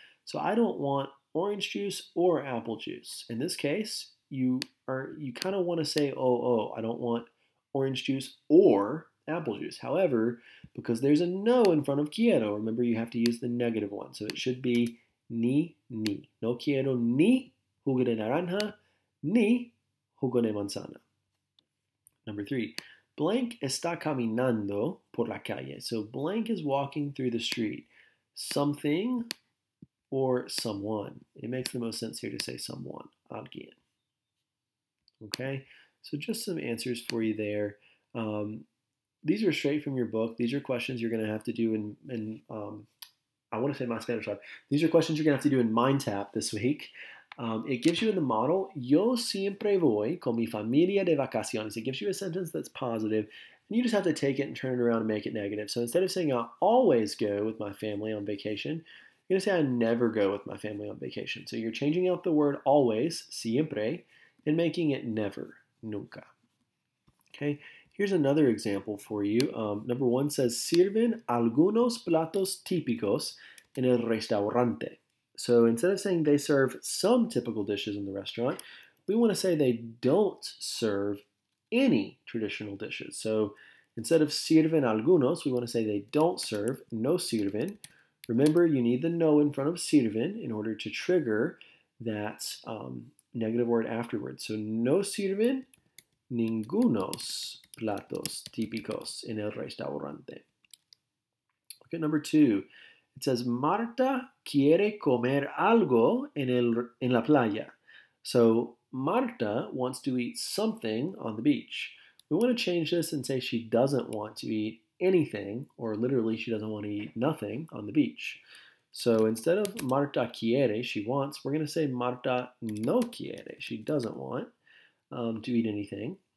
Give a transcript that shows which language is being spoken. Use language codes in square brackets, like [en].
[en] So I don't want orange juice or apple juice. In this case, you kind of want to say, oh, I don't want orange juice or apple juice. However, because there's a no in front of quiero, remember you have to use the negative one. So it should be ni. [es] No quiero ni jugo de naranja, ni jugo de manzana. [en] Number three, [es] blank está caminando por la calle. [en] So blank is walking through the street. Something or someone. It makes the most sense here to say someone, alguien. Okay, so just some answers for you there. These are straight from your book. These are questions you're going to have to do I want to say my Spanish lab. These are questions you're going to have to do in MindTap this week. It gives you in the model, [es] yo siempre voy con mi familia de vacaciones. [en] It gives you a sentence that's positive, and you just have to take it and turn it around and make it negative. So instead of saying I always go with my family on vacation, you're going to say I never go with my family on vacation. So you're changing out the word always, siempre, and making it never, nunca. Okay. Here's another example for you. Number one says, [es] sirven algunos platos típicos en el restaurante. [en] So instead of saying they serve some typical dishes in the restaurant, we want to say they don't serve any traditional dishes. So instead of [es] sirven algunos, [en] we want to say they don't serve, [es] no sirven. [en] Remember, you need the no in front of sirven in order to trigger that negative word afterwards. [es] So no sirven, ningunos platos típicos en el restaurante. [en] Okay, number two. It says, [es] Marta quiere comer algo en la playa. [en] So Marta wants to eat something on the beach. We want to change this and say she doesn't want to eat anything, or literally she doesn't want to eat nothing on the beach. So instead of [es] Marta quiere, [en] she wants, we're going to say [es] Marta no quiere, [en] she doesn't want to eat anything.